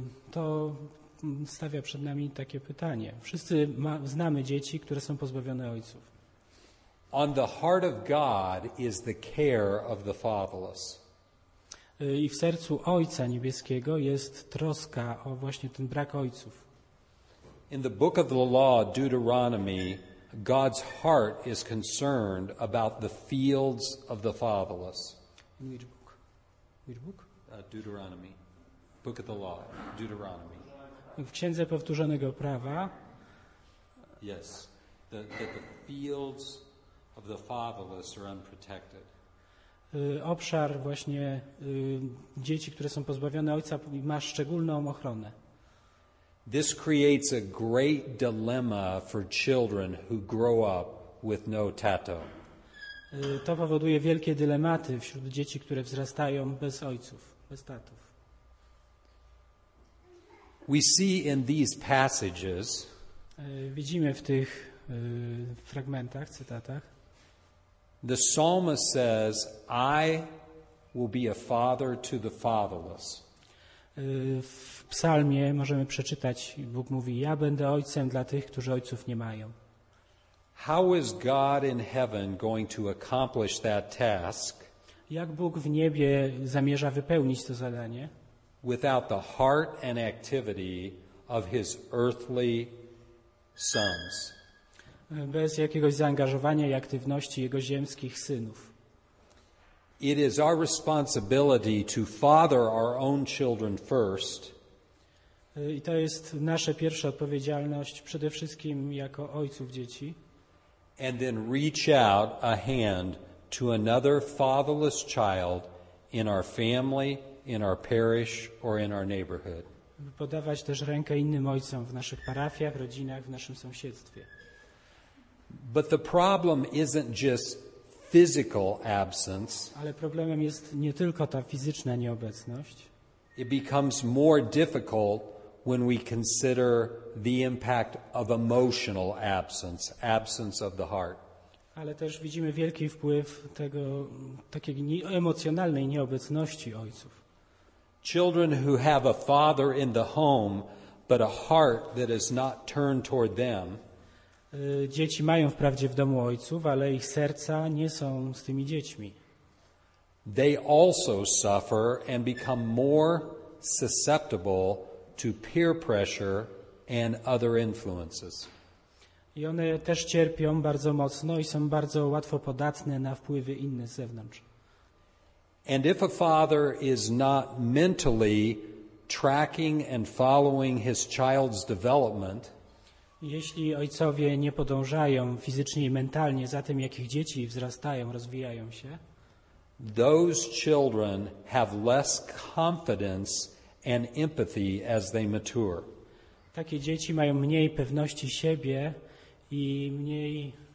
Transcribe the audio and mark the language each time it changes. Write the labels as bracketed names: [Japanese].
[Polish] To stawia przed nami takie pytanie. Wszyscy znamy dzieci, które są pozbawione ojców. [English] On the heart of God is the care of the fatherless. [Polish] I w sercu Ojca Niebieskiego jest troska o właśnie ten brak ojców. [English] In the book of the law, Deuteronomy, God's heart is concerned about the fields of the fatherless. Which book? Deuteronomy. Book of the Law. Deuteronomy. [Polish] W Księdze Powtórzonego Prawa. [English] Yes. The fields of of the fatherless or unprotected. [Polish] Obszar właśnie dzieci, które są pozbawione ojca, ma szczególną ochronę. [English] This creates a great dilemma for children who grow up with no tato. [Polish] To powoduje wielkie dylematy wśród dzieci, które wzrastają bez ojców, bez tatów. [English] We see in these passages, [Polish] widzimy w tych fragmentach, cytatach, [English] the psalmist says, I will be a father to the fatherless. [Polish] W psalmie możemy przeczytać, Bóg mówi, ja będę ojcem dla tych, którzy ojców nie mają. [English] How is God in heaven going to accomplish that task? [Polish] Jak Bóg w niebie zamierza wypełnić to zadanie? [English] Without the heart and activity of his earthly sons. [Polish] Bez jakiegoś zaangażowania i aktywności jego ziemskich synów. [English] It is our responsibility to father our own children first. [Polish] I to jest nasza pierwsza odpowiedzialność przede wszystkim jako ojców dzieci. [English] And then reach out a hand to another fatherless child in our family, in our parish, or in our neighborhood. [Polish] Podawać też rękę innym ojcom w naszych parafiach, rodzinach, w naszym sąsiedztwie. [English] But the problem isn't just physical absence. [Polish] Ale problemem jest nie tylko ta fizyczna nieobecność. [English] It becomes more difficult when we consider the impact of emotional absence, absence of the heart. [Polish] Ale też widzimy wielki wpływ tego takiej emocjonalnej nieobecności ojców. [English] Children who have a father in the home, but a heart that is not turned toward them. [Polish] Dzieci mają wprawdzie w domu ojców, ale ich serca nie są z tymi dziećmi. [English] They also suffer and become more susceptible to peer pressure and other influences. [Polish] I one też cierpią bardzo mocno i są bardzo łatwo podatne na wpływy inne z zewnątrz. [English] And if a father is not mentally tracking and following his child's development, [Polish] jeśli ojcowie nie podążają fizycznie i mentalnie za tym, jak ich dzieci wzrastają, rozwijają się, [English] those children have less confidence and empathy as they mature. [Polish] Takie dzieci mają mniej pewności siebie i mniej